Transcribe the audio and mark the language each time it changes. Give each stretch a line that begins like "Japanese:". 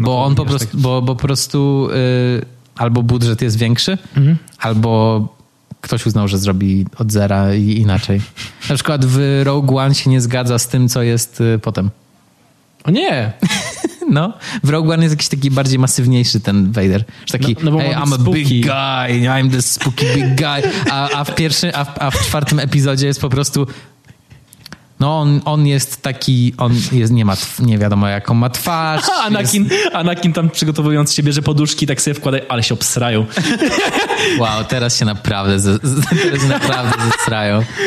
Polish: Bo on po prostu, bo po prostu albo budżet jest większy, albo ktoś uznał, że zrobi od zera i inaczej. Na przykład w Rogue One się nie zgadza z tym, co jest potem. O nie! No, w Rogue One jest jakiś taki bardziej masywniejszy ten Vader.
English: Taki, no, hey, I'm spooky. A big guy, I'm the spooky big guy.
Polish: A w czwartym epizodzie jest po prostu... No, on jest taki, on jest, nie wiadomo, jaką ma twarz. Anakin tam przygotowując się, bierze poduszki, tak sobie wkłada, ale się obsrają. Wow, teraz się naprawdę, naprawdę zesrają.